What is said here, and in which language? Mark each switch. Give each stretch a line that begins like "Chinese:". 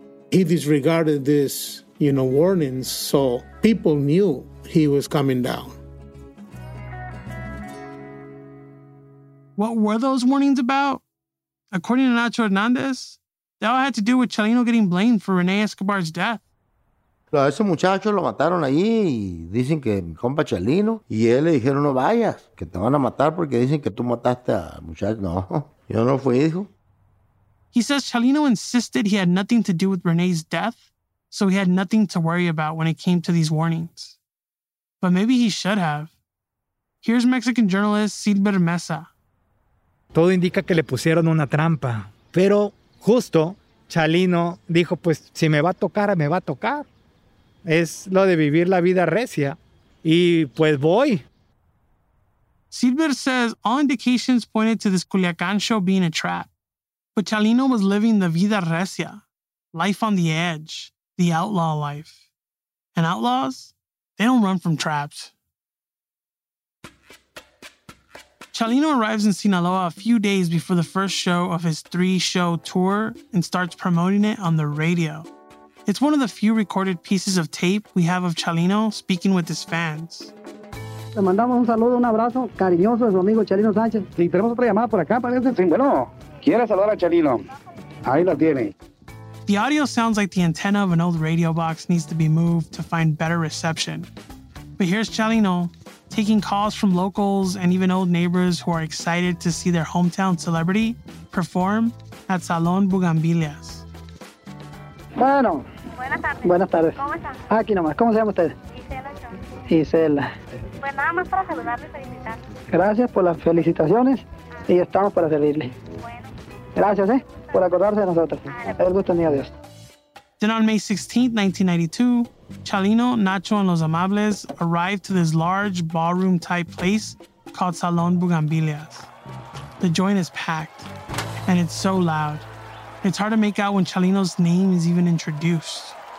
English: He disregarded this, you know, warnings, so people knew he was coming down. What were those warnings about? According to Nacho Hernandez, they all had to do with Chalino getting blamed for Rene Escobar's death.
Spanish: A ese muchacho lo mataron allí y dicen que mi compa Chalino y él le dijeron no vayas, que te van a matar porque dicen que tú mataste a muchacho. No, yo no fui, hijo.
English: He says Chalino insisted he had nothing to do with Rene's death, so he had nothing to worry about when it came to these warnings. But maybe he should have. Here's Mexican journalist Silver Mesa.
Spanish: Todo indica que le pusieron una trampa, pero justo Chalino dijo, pues si me va a tocar, me va a tocar. Es lo de vivir la vida recia. Y pues voy.
English: Silver says all indications pointed to this Culiacán show being a trap. But Chalino was living the vida recia, life on the edge, the outlaw life. And outlaws, they don't run from traps. Chalino arrives in Sinaloa a few days before the first show of his three-show tour and starts promoting it on the radio. It's one of the few recorded pieces of tape we have of Chalino speaking with his fans.
Spanish: Le mandamos un saludo, un abrazo cariñoso de su amigo Chalino Sánchez. Sí, tenemos otra llamada por acá, parece. Sí, bueno, quiere saludar a Chalino. Ahí la tiene.
English: The audio sounds like the antenna of an old radio box needs to be moved to find better reception. But here's Chalino taking calls from locals and even old neighbors who are excited to see their hometown celebrity perform at Salón Bugambilias.
Spanish: Bueno. Buenas tardes. Buenas tardes. ¿Cómo están? Aquí nomás. ¿Cómo se llama usted? Gisela. Gisela. Pues nada más para saludarle y felicitarle. Gracias por las felicitaciones y estamos para servirle. Bueno. Gracias, por acordarse de nosotros. El gusto es mío, Dios.
English: Then on May 16, 1992, Chalino, Nacho, and Los Amables arrived to this large ballroom-type place called Salón Bugambilias. The joint is packed, and it's so loud. It's hard to make out when Chalino's name is even introduced.